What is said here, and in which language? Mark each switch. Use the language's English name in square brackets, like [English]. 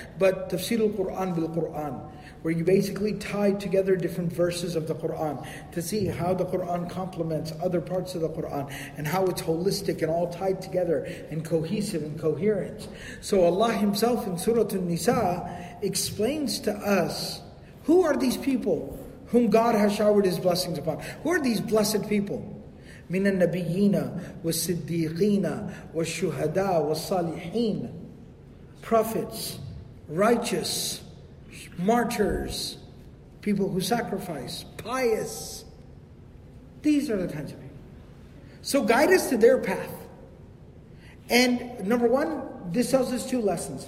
[English] But tafsir al-Qur'an bil-Qur'an, where you basically tie together different verses of the Qur'an to see how the Qur'an complements other parts of the Qur'an and how it's holistic and all tied together and cohesive and coherent. So Allah himself in Surah An-Nisa explains to us, who are these people whom God has showered His blessings upon? Who are these blessed people? [Arabic] من النبيين والصديقين والشهداء والصالحين. [English] Prophets, righteous, martyrs, people who sacrifice, pious. These are the kinds of people. So guide us to their path. And number one, this tells us two lessons.